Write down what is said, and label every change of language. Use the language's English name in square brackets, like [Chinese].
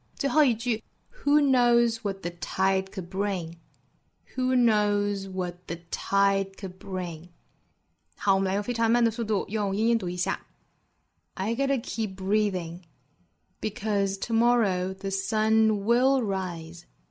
[Chinese] 最后一句 [English] Who knows what the tide could bring? Who knows what the tide could bring? [Chinese] 好，我们来用非常慢的速度用英音读一下。 [English] I gotta keep breathing, because tomorrow the sun will rise.